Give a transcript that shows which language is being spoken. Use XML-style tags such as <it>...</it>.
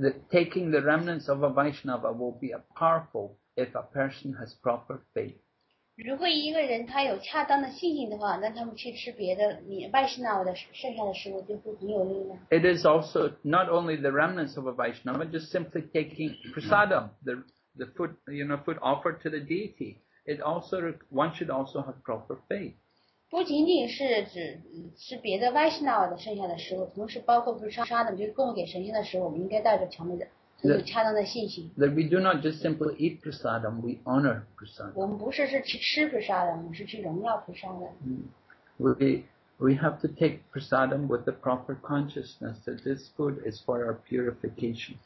<en>Taking the remnants of a Vaishnava will be powerful if a person has proper faith.</en> <zh>如果一个人他有恰当的信心的话，那他们去吃别的Vaishnava的剩下的食物就会很有力量。</zh> <en>It is also not only the remnants of a Vaishnava, just simply taking prasadam, the food, you know, food offered to the deity. It also one should also have proper faith.</en> <zh>不仅仅是指吃别的Vaishnava的剩下的食物，同时包括prasadam就是供给神仙的食物，我们应该带着强烈的。</zh> <en>That we do not just simply eat prasadam, we honor prasadam.</en> <zh>我们不是去吃prasadam, 我们是去荣耀prasadam.</zh> <en>We We have to take prasadam with the proper consciousness that this food is for our purification.</en>